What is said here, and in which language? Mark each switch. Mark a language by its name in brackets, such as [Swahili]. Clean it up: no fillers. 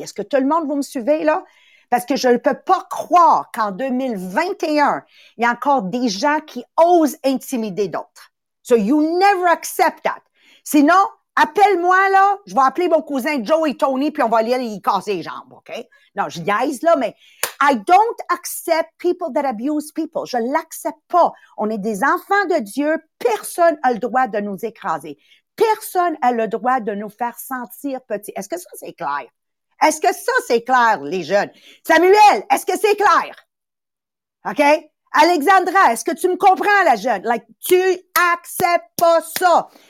[French] Est-ce que tout le monde, vous me suivez, là? Parce que je ne peux pas croire qu'en 2021, il y a encore des gens qui osent intimider d'autres. [English] So you never accept that. [French] Sinon, appelle-moi là, je vais appeler mon cousin Joe et Tony, puis on va aller lui casser les jambes, OK? Non, je niaise là, mais [English] I don't accept people that abuse people. [French] Je l'accepte pas. On est des enfants de Dieu, personne n'a le droit de nous écraser. Personne n'a le droit de nous faire sentir petits. Est-ce que ça, c'est clair? Est-ce que ça, c'est clair, les jeunes? Samuel, est-ce que c'est clair? OK? Alexandra, est-ce que tu me comprends, la jeune? Like, tu acceptes pas ça.